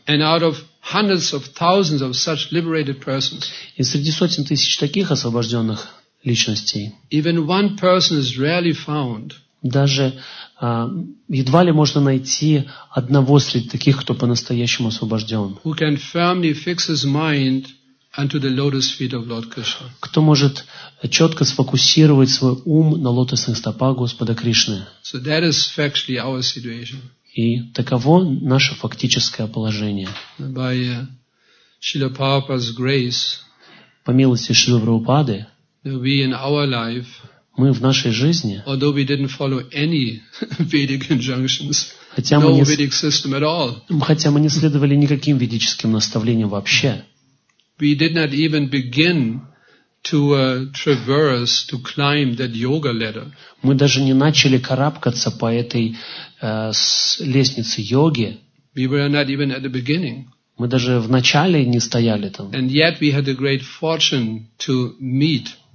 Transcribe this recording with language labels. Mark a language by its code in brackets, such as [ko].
[en] And out of hundreds of thousands of such liberated persons, [ru] и среди сотен тысяч таких освобожденных личностей. [en] Even one person is rarely found. [ru] Даже едва ли можно найти одного среди таких, кто по-настоящему освобожден. [en] Who can firmly fix his mind unto the lotus feet of Lord Krishna? [ru] Кто может четко сфокусировать свой ум на лотосных стопах Господа Кришны? [en] So that is factually our situation. [ru] И таково наше фактическое положение. [en] By Srila Prabhupada's grace. [ru] По милости Шрилы Прабхупады. [en] We in our life, [ru] мы в нашей жизни, [en] although we didn't follow any Vedic injunctions, no Vedic system at all, [ru] хотя мы не следовали никаким ведическим наставлениям вообще, [en] we did not even begin to traverse, to climb that yoga ladder. [ru] Мы даже не начали карабкаться по этой лестнице йоги. [en] We were not even at the beginning. [ru] Мы даже в начале не стояли там. [en] And yet we had the great fortune to meet.